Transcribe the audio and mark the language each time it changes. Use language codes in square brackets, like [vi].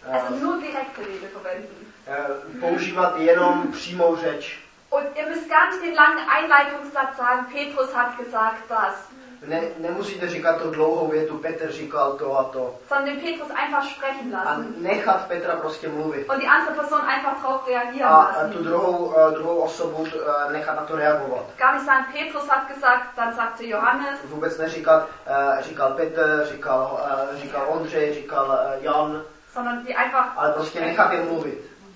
[de] Also nur direkte Rede verwenden. [cs] Používat jenom přímou řeč. [de] Und ihr müsst gar nicht den langen Einleitungssatz sagen, Petrus hat gesagt das. [cs] Nemusíte říkat to dlouhou větu, Petr říkal to a to. [de] Sondern Petrus einfach sprechen lassen. [cs] A nechat Petra prostě mluvit. [de] Und die andere Person einfach drauf reagieren lassen. [cs] A tu druhou osobu nechat na to reagovat. [de] Gar nicht sagen, Petrus hat gesagt, dann sagte Johannes. [cs] Vůbec neříkat, říkal Petr, říkal Ondřej, říkal Jan. [de] Sondern die einfach. [cs] Ale prostě nechat je mluvit.